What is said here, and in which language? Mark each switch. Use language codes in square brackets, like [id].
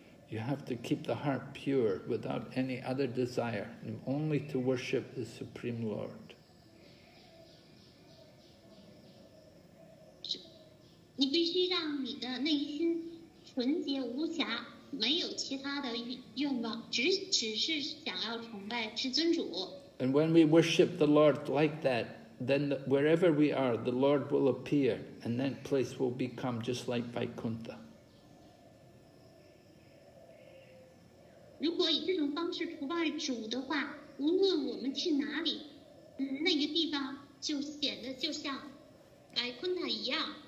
[en] You have to keep the heart pure without any other desire, only to worship the Supreme Lord. [zh] 你必须让你的内心纯洁无瑕，没有其他的愿望，只是想要崇拜至尊主。 [en] And when we worship the Lord like that, then wherever we are, the Lord will appear, and that place will become just like Vaikuntha. [zh] 如果以这种方式崇拜主的话，无论我们去哪里，那个地方就显得就像Vaikuntha一样。